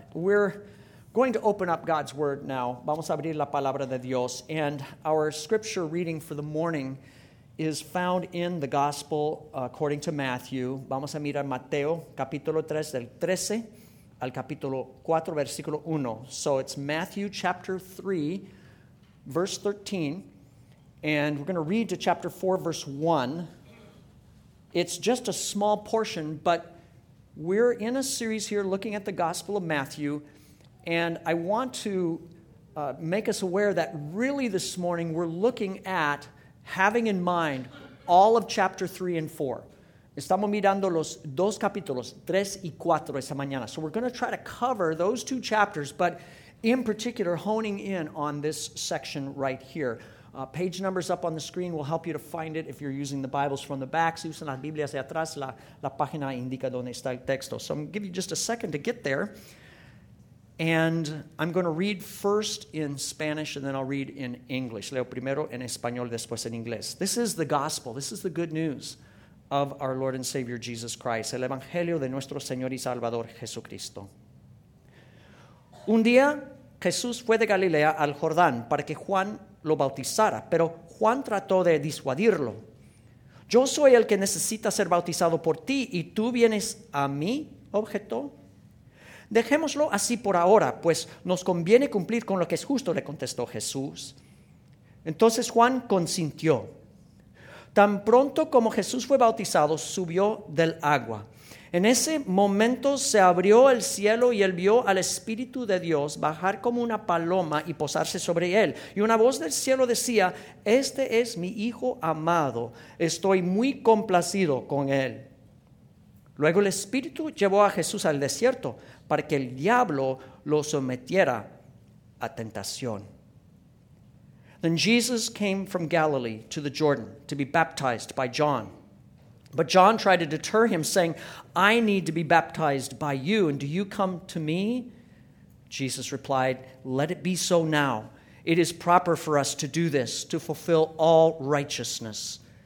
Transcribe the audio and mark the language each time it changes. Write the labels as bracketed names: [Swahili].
[English] We're going to open up God's Word now. [Spanish] Vamos a abrir la palabra de Dios. [English] And our scripture reading for the morning is found in the Gospel according to Matthew. [Spanish] Vamos a mirar Mateo, capítulo 3, del 13 al capítulo 4, versículo 1. [English] So it's Matthew chapter 3, verse 13. And we're going to read to chapter 4, verse 1. It's just a small portion, but we're in a series here looking at the Gospel of Matthew, and I want to make us aware that really this morning we're looking at having in mind all of chapter 3 and 4. [Spanish] Estamos mirando los dos capítulos, tres y cuatro, esta mañana. [English] So we're going to try to cover those two chapters, but in particular honing in on this section right here. Page numbers up on the screen will help you to find it if you're using the Bibles from the back. [Spanish] Si usan las Biblias de atrás, la página indica donde está el texto. [English] So I'm going to give you just a second to get there. And I'm going to read first in Spanish and then I'll read in English. [Spanish] Leo primero en español, después en inglés. [English] This is the gospel. This is the good news of our Lord and Savior Jesus Christ. [Spanish] El Evangelio de nuestro Señor y Salvador Jesucristo. Un día Jesús fue de Galilea al Jordán para que Juan lo bautizara, pero Juan trató de disuadirlo. Yo soy el que necesita ser bautizado por ti y tú vienes a mí, objetó. Dejémoslo así por ahora, pues nos conviene cumplir con lo que es justo, le contestó Jesús. Entonces Juan consintió. Tan pronto como Jesús fue bautizado, subió del agua. En ese momento se abrió el cielo y él vio al Espíritu de Dios bajar como una paloma y posarse sobre él. Y una voz del cielo decía, este es mi Hijo amado, estoy muy complacido con él. Luego el Espíritu llevó a Jesús al desierto para que el diablo lo sometiera a tentación. [English] Then Jesus came from Galilee to the Jordan to be baptized by John. But John tried to deter him, saying, I need to be baptized by you, and do you come to me? Jesus replied, let it be so now. It is proper for us to do this, to fulfill all righteousness.